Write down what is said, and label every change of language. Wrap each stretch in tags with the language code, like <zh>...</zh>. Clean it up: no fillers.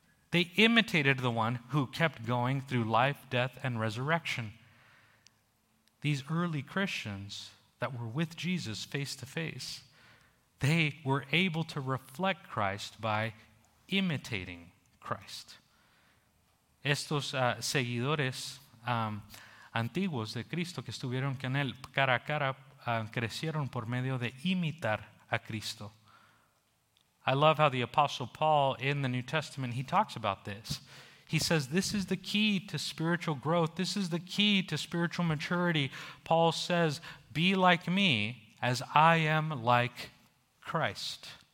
<en>They imitated the one who kept going through life, death, and resurrection. These early Christians that were with Jesus face to face, they were able to reflect Christ by imitating Christ.</en> <es>Estos seguidores antiguos de Cristo que estuvieron con él cara a cara crecieron por medio de imitar a Cristo.</es> <en>I love how the Apostle Paul in the New Testament, he talks about this. He says, this is the key to spiritual growth. This is the key to spiritual maturity. Paul says, be like me as I am like Christ.</en>